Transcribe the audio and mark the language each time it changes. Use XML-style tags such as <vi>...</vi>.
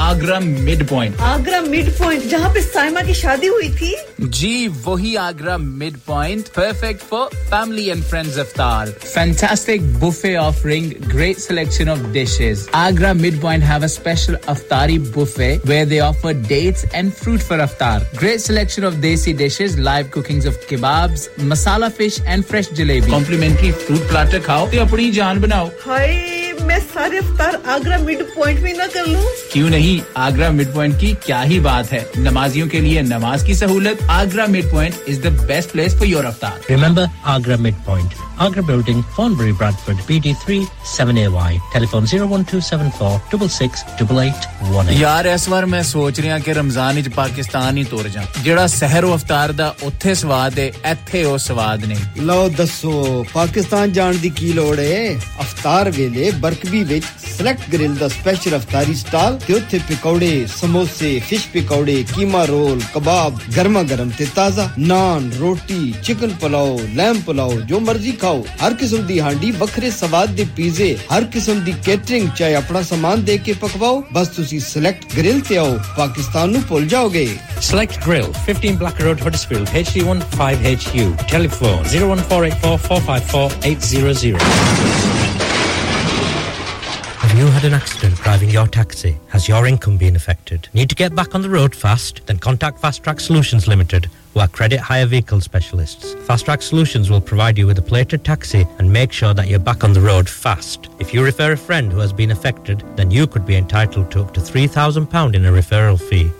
<ur>Agra mid point जहां पे साइमा की शादी हुई थी जी वही</ur> <en>Agra mid point perfect for family and friends iftar fantastic buffet offering great selection of dishes Agra mid point have a special iftari buffet where they offer and fruit for iftar. Great selection of desi dishes, live cookings of kebabs, masala fish and fresh jalebi. Complimentary fruit platter</en> <pa>khao te apni jaan banao.</pa> <ur>Hi, main sare iftar Agra Midpoint mein na kar lu? Kyun nahi?</ur> <en>Agra Midpoint ki kya hi baat hai? Namaziyon ke liye namaz ki sahulat, Agra Midpoint is the best place for your iftar. Remember Agra Midpoint. Agra Building, Farnbury, Bradford, BD3-7AY. Telephone 01274-66-8818.</en> <pa>Yaar, is baar main soch rahi haan ki Ramzan ich Pakistan hi tor jaan. Jehda seher o iftar da, utthe swaad hai, itthe o swaad nahi. Lao, dasso, Pakistan jaan di ki lod hai? Iftar vele, برکوی which select girl دا special افطاری stall تے اوتھے پکوڑے سموسے fish پکوڑے کیما role کباب گرما گرم تے تازہ نان روٹی چکن پلاؤ لیم پلاؤ جو مرضی کھاؤ ہر قسم دی ہانڈی بکھرے سواد دے پیزے ہر قسم دی کیٹرنگ چاہے اپنا سامان دے کے پکواؤ بس تسی سلیکٹ گرل تے آؤ پاکستان نو بھول جاؤ گے select girl 15 black road Huddersfield HD15HU tele phone 01484 454 800</pa> <en>Have you had an accident driving your taxi? Has your income been affected? Need to get back on the road fast? Then contact Fast Track Solutions Limited, who are credit hire vehicle specialists. Fast Track Solutions will provide you with a plated taxi and make sure that you're back on the road fast. If you refer a friend who has been affected, then you could be entitled to up to £3,000 in a referral fee.</en>